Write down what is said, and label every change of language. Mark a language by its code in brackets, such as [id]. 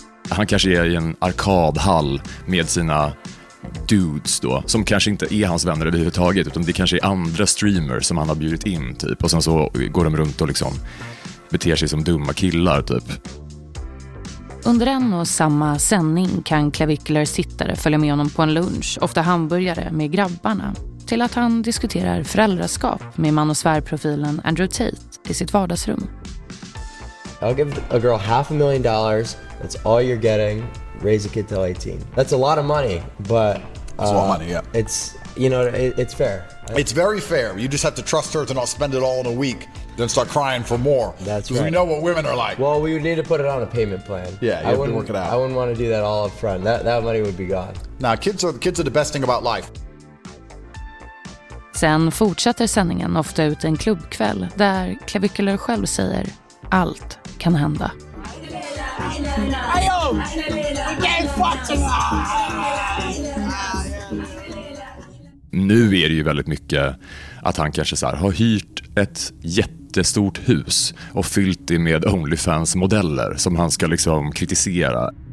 [sv] Han kanske är i en arkadhall med sina dudes då, som kanske inte är hans vänner överhuvudtaget, utan det kanske är andra streamers som han har bjudit in typ, och sen så går de runt och liksom beter sig som dumma killar typ. Under en och samma sändning kan Clavicular sittare följa med honom på en lunch, ofta hamburgare med grabbarna, till att han diskuterar föräldraskap med man- och svärprofilen Andrew Tate i sitt vardagsrum. [en] I'll give a girl $500,000. That's all you're getting. Raise a kid till 18. That's a lot of money, but it's a lot of money. Yeah, it's, you know, it's fair. It's very fair. You just have to trust her to not spend it all in a week, then start crying for more. That's right. We know what women are like. Well, we would need to put it on a payment plan. Yeah, you have to work it out. I wouldn't want to do that all up front. That money would be gone. Now, kids are the best thing about life. [sv] Sen fortsätter sändningen ofta ut en klubbkväll där Clavicular själv säger allt kan hända. Nu är det ju väldigt mycket att han kanske så här har hyrt ett jättestort hus och fyllt det med OnlyFans-modeller som han ska liksom kritisera.